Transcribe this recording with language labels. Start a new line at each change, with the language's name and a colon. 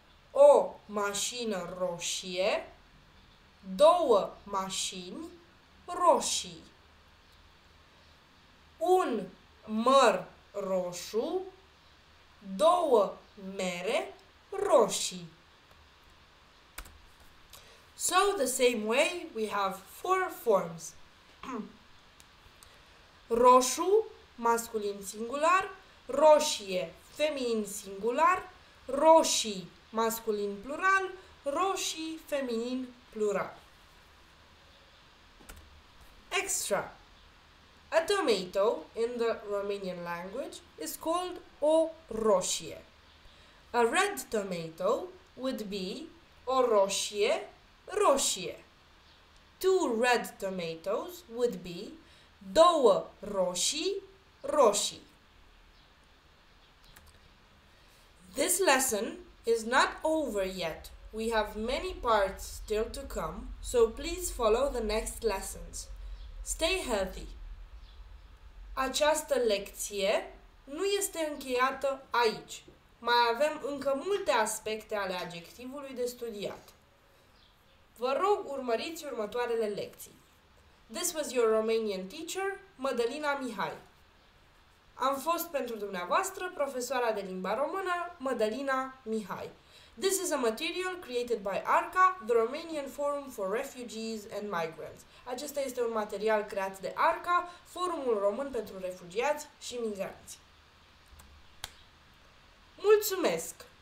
Romanian: O mașină roșie, două mașini roșii. Un măr roșu, două mere roșii.
English: So the same way we have four forms.
Romanian: Roșu, masculin singular, roșie, feminin singular, roșii, masculin plural, roșii, feminin plural.
English: Extra. A tomato in the Romanian language is called o roșie. A red tomato would be o roșie, roșie. Two red tomatoes would be două roșii, roșii. This lesson is not over yet. We have many parts still to come, so please follow the next lessons. Stay healthy.
Romanian: Această lecție nu este încheiată aici. Mai avem încă multe aspecte ale adjectivului de studiat. Vă rog, urmăriți următoarele lecții.
English: This was your Romanian teacher, Mădălina Mihai.
Romanian: Am fost pentru dumneavoastră profesoara de limba română, Mădălina Mihai.
English: This is a material created by ARCA, the Romanian Forum for Refugees and Migrants.
Romanian: Acesta este un material creat de ARCA, Forumul Român pentru Refugiați și Migranți. Mulțumesc!